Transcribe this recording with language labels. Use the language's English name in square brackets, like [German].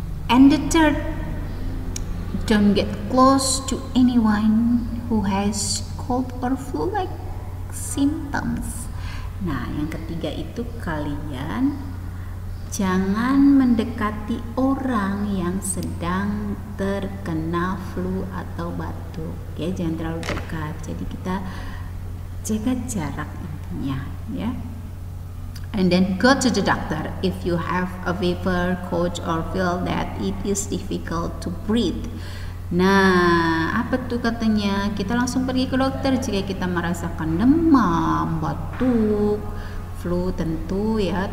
[English] And the third, don't get close to anyone who has cold or flu like symptoms. [Indonesian] Nah, yang ketiga itu kalian jangan mendekati orang yang sedang terkena flu atau batuk, ya, jangan terlalu dekat. Jadi kita jaga jarak intinya, ya. [English] And then go to the doctor if you have a fever, cough, or feel that it is difficult to breathe. [Indonesian] Nah, apa tuh katanya? Kita langsung pergi ke dokter jika kita merasakan demam, batuk, flu tentu, ya.